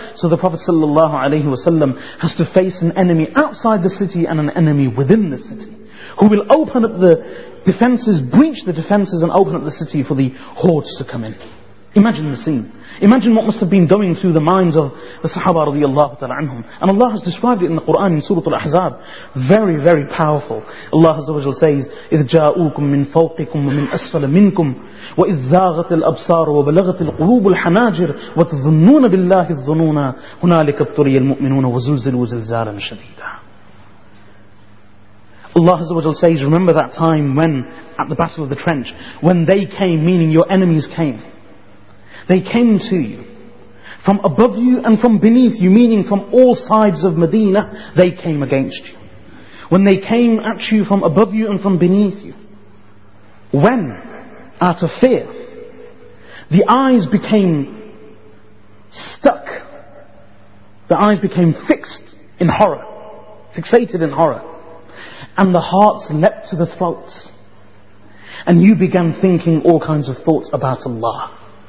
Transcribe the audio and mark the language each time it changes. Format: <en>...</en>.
<en>So the Prophet sallallahu alaihi wasallam has to face an enemy outside the city and an enemy within the city who will open up the defences, breach the defences and open up the city for the hordes to come in. Imagine the scene. Imagine what must have been going through the minds of the Sahaba radiallahu ta'ala anhum. And Allah has described it in the Quran in Surah Al-Ahzab. Very, very powerful.</en> <ar>Allah Azza wa Jal says, إِذْ جَاءُوكُمْ مِنْ فَوْقِكُمْ وَمِنْ أَسْفَلَ مِنْكُمْ وَإِذْ زَاغَتِ الْأَبْصَارُ وَبَلَغَتِ الْقُلُوبُ الْحَنَاجِرُ وَتَظُنُّونَ بِاللَّهِ الظُّنُونَ هُنَالِكَ ابْتُلِيَ الْمُؤْمِنُونَ وَزُلْزِلُوا زِلْزَالًا شَدِيدًا.</ar> <en>Allah Azza wa Jal says, remember that time when, at the Battle of the Trench, when they came, meaning your enemies came. They came to you from above you and from beneath you, meaning from all sides of Medina, they came against you. When they came at you from above you and from beneath you, when, out of fear, the eyes became stuck, the eyes became fixed in horror, fixated in horror, and the hearts leapt to the throats, and you began thinking all kinds of thoughts about Allah.</en>